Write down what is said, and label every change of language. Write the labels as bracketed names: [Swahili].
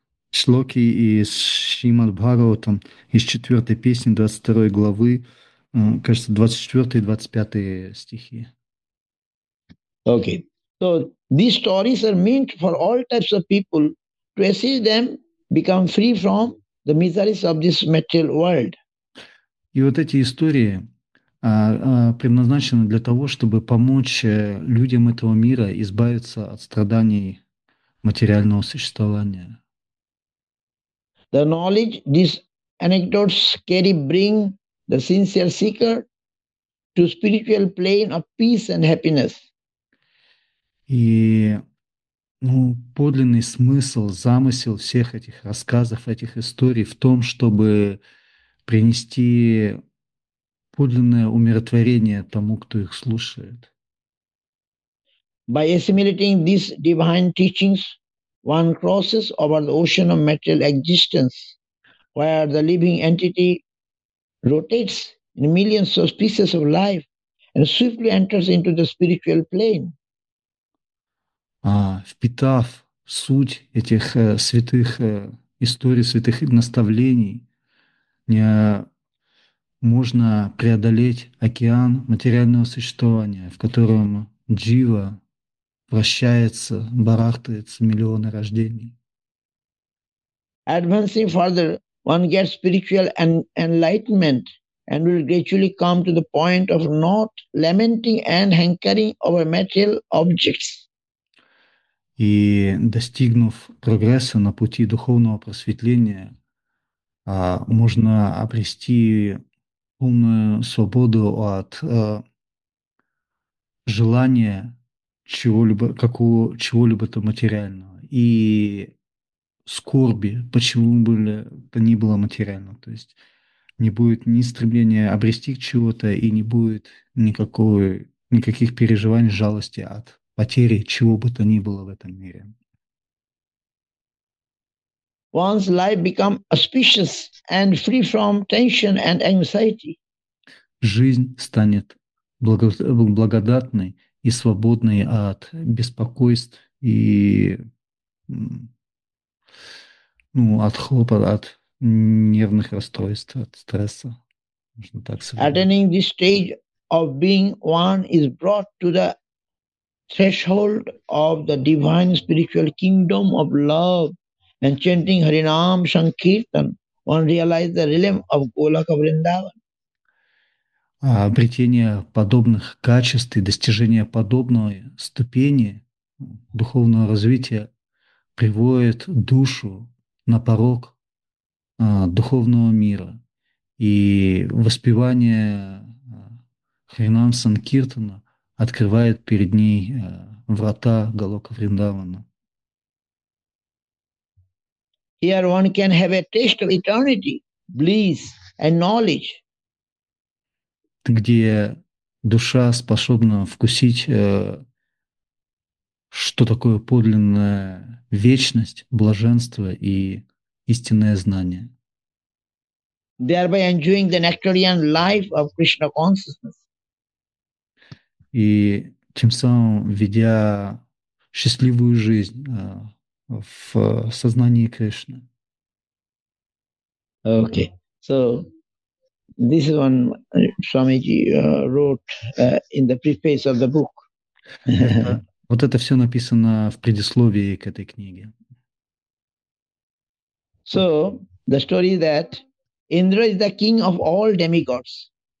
[Russian] Шлоки из Шримад Бхагаватам, из 4 песни 22 главы, кажется, 24-25 стихи. [English] Okay. So these stories are meant for all types of people to assist them become free from the miseries of this material world. [Russian] И вот эти истории предназначены для того, чтобы помочь людям этого мира избавиться от страданий материального существования. [English] The knowledge these anecdotes carry bring the sincere seeker to spiritual plane of peace and happiness. [Russian] И подлинный смысл, замысел всех этих рассказов, этих историй в том, чтобы принести подлинное умиротворение тому, кто их слушает. [English] By assimilating these divine teachings, one crosses over the ocean of material existence, where the living entity rotates in millions of species of life and swiftly enters into the spiritual plane. [Russian] Впитав суть этих святых историй, святых наставлений, не можно преодолеть океан материального существования, в котором джива вращается, барахтается миллионы рождений. [English] Advancing further, one gets spiritual enlightenment and will gradually come to the point of not lamenting and hankering over material objects. [Russian] И достигнув прогресса на пути духовного просветления, можно обрести полную свободу от желания чего-либо, какого, чего-либо то материального и скорби, почему бы то ни было материально. То есть не будет ни стремления обрести чего-то и не будет никаких переживаний, жалости от потери чего бы то ни было в этом мире. [English] One's life become auspicious and free from tension and anxiety. [Russian] Жизнь станет благодатной и свободной от беспокойств и ну, от хлопот, от нервных расстройств, от стресса, можно так сказать. [English] Attaining this stage of being one is brought to the threshold of the divine spiritual kingdom of love. And chanting Harinam Sankirtan, one realizes the realm of Goloka Vrindavan. [Russian] Обретение подобных качеств и достижение подобной ступени духовного развития приводит душу на порог духовного мира. И воспевание Харинам Санкиртана открывает перед ней врата Голока Вриндавана. [English] Here one can have a taste of eternity, bliss, and knowledge. [Russian] Где душа способна вкусить, что такое подлинная вечность, блаженство и истинное знание. [English] Thereby enjoying the nectarian life of Krishna consciousness. [Russian] И тем самым ведя счастливую жизнь, в сознании Кришны. [English] Okay, so this is one Swamiji wrote in the preface of the book. [Russian] Это вот это все написано в предисловии к этой книге. [English] So the story is that Indra is the king of all demigods